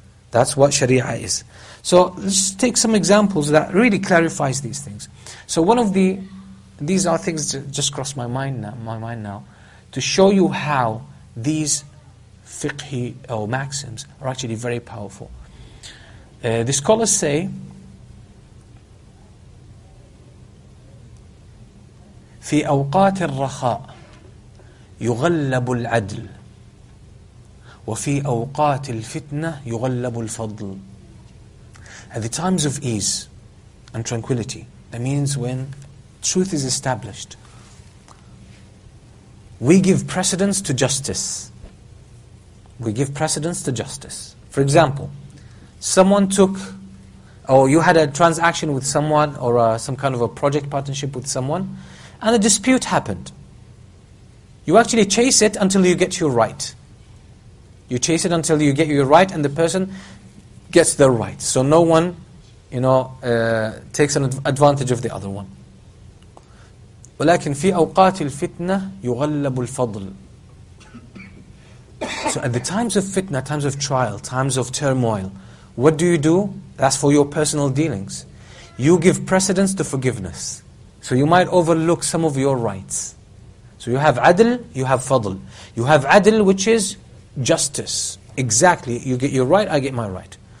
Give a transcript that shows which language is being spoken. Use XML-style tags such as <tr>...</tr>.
<en>That's what Sharia is. So let's take some examples that really clarifies these things. So one of these are things that just crossed my mind now, to show you how these fiqhi or maxims are actually very powerful. The scholars say,</en> <ar>في أوقات الرخاء يغلب العدل وفي أوقات الفتنة يغلب الفضل.</ar> <en>At the times of ease and tranquility, that means when truth is established, we give precedence to justice. We give precedence to justice. For example, someone took, or you had a transaction with someone, or some kind of a project partnership with someone, and a dispute happened. You actually chase it until you get your right. You chase it until you get your right, and the person gets their right. So no one you know, takes an advantage of the other one.</en> <ar>ولكن في أوقات الفتنة يغلب الفضل.</ar> <en>So at the times of fitna, times of trial, times of turmoil, what do? That's for your personal dealings. You give precedence to forgiveness. So you might overlook some of your rights. So you have adl, you have fadl. You have adl, which is justice. Exactly, you get your right, I get my right.</en>